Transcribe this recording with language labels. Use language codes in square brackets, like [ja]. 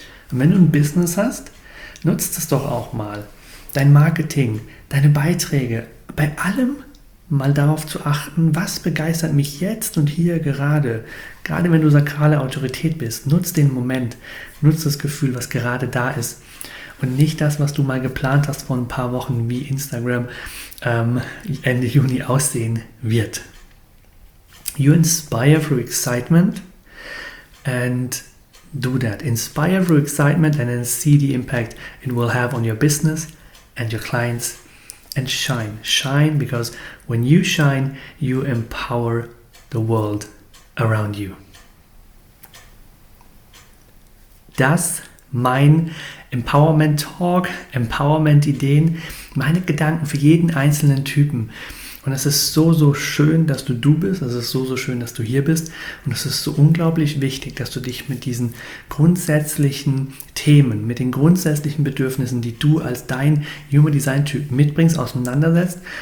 [de] Und wenn du ein Business hast, nutzt es doch auch mal. Dein Marketing, deine Beiträge, bei allem mal darauf zu achten, was begeistert mich jetzt und hier gerade. Gerade wenn du sakrale Autorität bist, nutz den Moment, nutz das Gefühl, was gerade da ist. Und nicht das, was du mal geplant hast vor ein paar Wochen, wie Instagram Ende Juni aussehen wird. [en] You inspire through excitement and do that. Inspire through excitement and then see the impact it will have on your business and your clients. And shine. Shine because when you shine, you empower the world around you. [de] Das, mein Empowerment-Talk, Empowerment-Ideen, meine Gedanken für jeden einzelnen Typen. Und es ist so, so schön, dass du bist. Es ist so, so schön, dass du hier bist. Und es ist so unglaublich wichtig, dass du dich mit diesen grundsätzlichen Themen, mit den grundsätzlichen Bedürfnissen, die du als dein Human Design Typ mitbringst, auseinandersetzt.